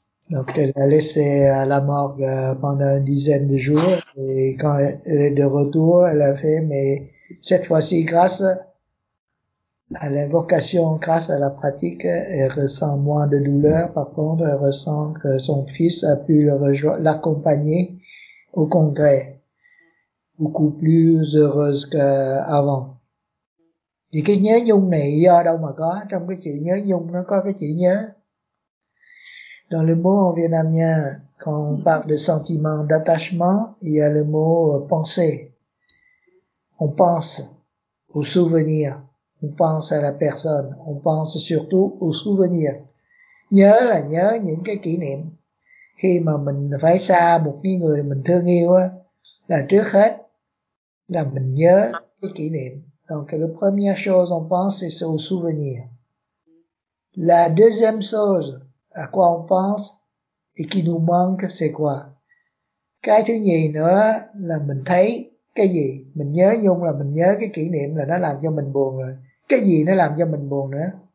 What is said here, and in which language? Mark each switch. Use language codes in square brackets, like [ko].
[fr] Donc elle a laissé à la morgue pendant 10 jours et quand elle est de retour, elle a fait, mais cette fois-ci grâce à l'invocation, grâce à la pratique, elle ressent moins de douleur. Par contre, elle ressent que son fils a pu l'accompagner au congrès, beaucoup plus heureuse qu'avant. [vi] Thì cái nhớ nhung này do đâu mà có? Trong cái chữ nhớ nhung nó có cái chữ nhớ. [fr] Dans le mot en vietnamien, quand on parle de sentiment d'attachement, il y a le mot penser. On pense au souvenir, on pense à la personne, on pense surtout au souvenir. [vi] Nhớ là nhớ những cái kỷ niệm. Khi mà mình phải xa một cái người mình thương yêu, là trước hết là mình nhớ cái kỷ niệm. [fr] Donc la première chose on pense, c'est au souvenir. La deuxième chose, à quoi on pense et qui nous manque, c'est quoi? [vi] Cái thứ nhì nữa là mình thấy cái gì? Mình nhớ nhung là mình nhớ cái kỷ niệm là nó làm cho mình buồn rồi. Cái gì nó làm cho mình buồn nữa?